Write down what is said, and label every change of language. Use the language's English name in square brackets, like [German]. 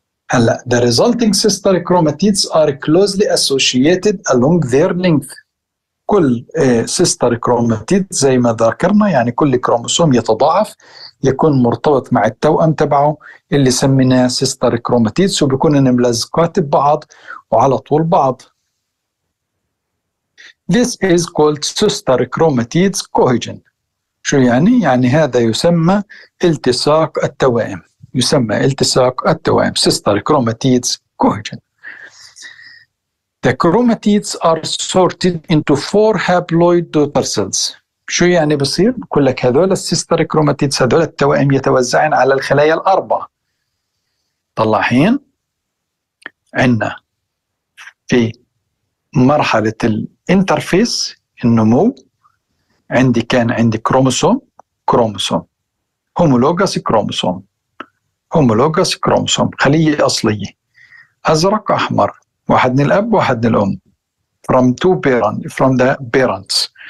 [Arabic] هلأ [English] the resulting sister chromatids are closely associated along their length، [Arabic] كل sister chromatid زي ما ذكرنا يعني كل كروموسوم يتضاعف يكون مرتبط مع التوأم تبعه اللي سميناه sister chromatids، وبيكون ملزقات ببعض وعلى طول بعض. [English] This is called sister chromatids cohesion. [Arabic] شو يعني؟ يعني هذا يسمى التصاق التوائم، يسمى التصاق التوائم sister chromatids cohesion. [English] The chromatids are sorted into four haploid daughter cells. [Arabic] شو يعني بصير؟ بقول لك هذول sister chromatids هذول التوائم يتوزعن على الخلايا الأربعة. طلعين عنا في مرحلة الانترفيس النمو عندي كان عندي كروموسوم كروموسوم هومولوجس كروموسوم هومولوجس كروموسوم خلية أصلية أزرق أحمر واحد من الأب واحد من الأم [English] from two parents from the parents.